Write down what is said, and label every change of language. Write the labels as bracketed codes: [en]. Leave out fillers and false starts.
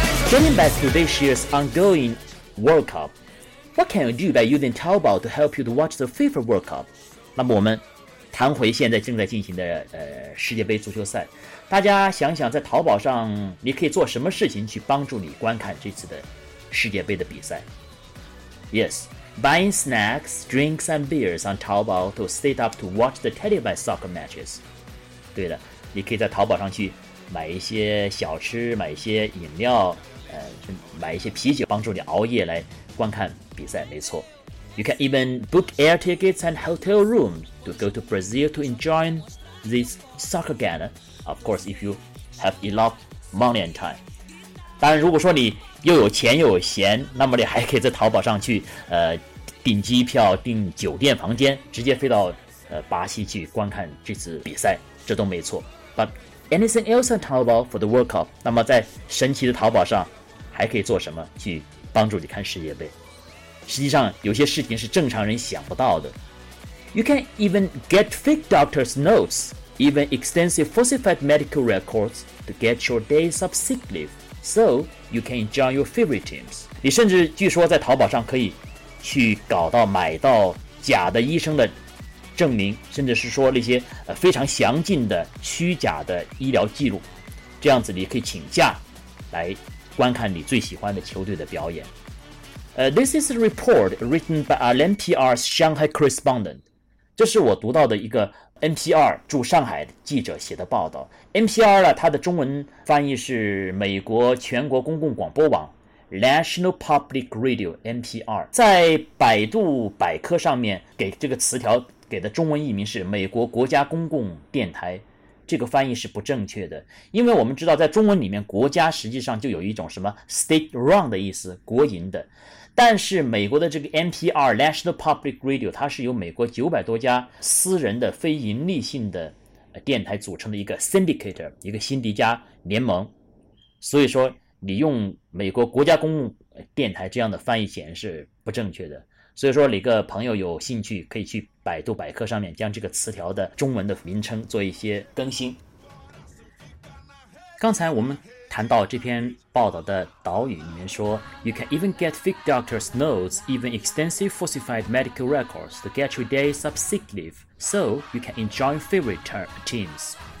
[en] Getting back to this year's ongoing World Cup, what can you do by using Taobao to help you to watch the FIFA World Cup? [zh] 那么我们谈回现在正在进行的世界杯足球赛，大家想想在淘宝上你可以做什么事情去帮助你观看这次的世界杯的比赛。 [en] Yes, buying snacks, drinks and beers on Taobao to sit up to watch the televised soccer matches. [zh] 对的，你可以在淘宝上去买一些小吃，买一些饮料，买一些啤酒，帮助你熬夜来观看比赛，没错。 [en] You can even book air tickets and hotel rooms to go to Brazil to enjoy this soccer game. Of course, if you have enough money and time. [zh] 当然，如果说你又有钱又有闲，那么你还可以在淘宝上去订机票、订酒店房间，直接飞到巴西去观看这次比赛，这都没错。 [en] But anything else on Taobao for the World Cup? [zh] 那么在神奇的淘宝上还可以做什么去帮助你看世界杯？实际上有些事情是正常人想不到的。 [en] You can even get fake doctor's notes, even extensive falsified medical records to get your days of sick leave, so you can enjoy your favorite teams. [zh] 你甚至据说在淘宝上可以去搞到买到假的医生的证明，甚至是说那些非常详尽的虚假的医疗记录，这样子你可以请假来观看你最喜欢的球队的表演。 [en] This is a report written by our NPR's Shanghai correspondent. [zh] 这是我读到的一个 NPR 驻上海记者写的报道。 NPR 呢，它的中文翻译是美国全国公共广播网 National Public Radio NPR。在百度百科上面给这个词条给的中文译名是美国国家公共电台，这个翻译是不正确的。因为我们知道在中文里面国家实际上就有一种什么 state run 的意思，国营的，但是美国的这个 NPR National Public Radio 它是由美国900多家私人的非盈利性的电台组成的一个 syndicator 一个辛迪加联盟，所以说你用美国国家公共电台这样的翻译显然是不正确的。所以说你个朋友有兴趣可以去百度百科上面将这个词条的中文的名称做一些更新。刚才我们谈到这篇报道的导语里面说 [en] You can even get fake doctor's notes, even extensive falsified medical records to get your days of sick leave, so you can enjoy favorite teams.